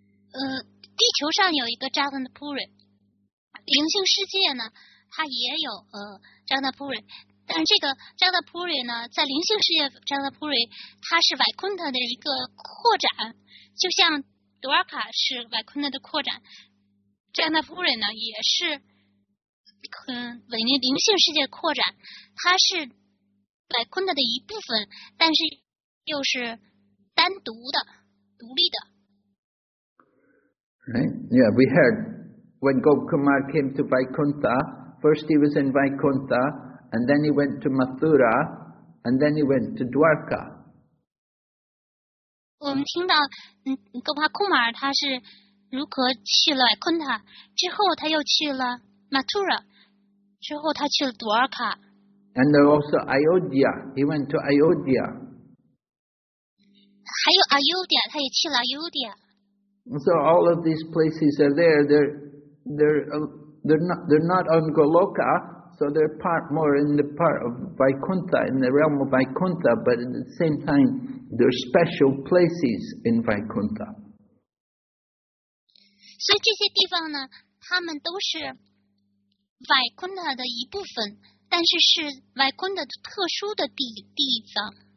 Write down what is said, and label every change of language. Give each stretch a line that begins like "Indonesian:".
Chinese: 地球上有一个扎根的普瑞，灵性世界呢，它也有扎根的普瑞，但这个扎根的普瑞呢，在灵性世界扎根的普瑞，它是瓦昆特的一个扩展，就像多尔卡是瓦昆特的扩展，扎根的普瑞呢也是，灵性世界扩展，它是瓦昆特的一部分，但是又是单独的、独立的。
English: Right? Yeah, we heard when Gop Kumar came to Vaikuntha, first he was in Vaikuntha, and then he went to Mathura, and then he went to Dwarka. We heard Gop Kumar, he was in Vaikuntha, then he went to Mathura, then he went to Dwarka. And there also Ayodhya, he went to Ayodhya.
Chinese: 还有 Ayodhya, 他也去了 Ayodhya.
English: So all of these places are there. They're not on Goloka, so they're part more in the part of Vaikuntha, in the realm of Vaikuntha, but at the same time, they're special places in Vaikuntha. So these places, they are all Vaikuntha's part.
Chinese: 但是是外坤的特殊的 地方。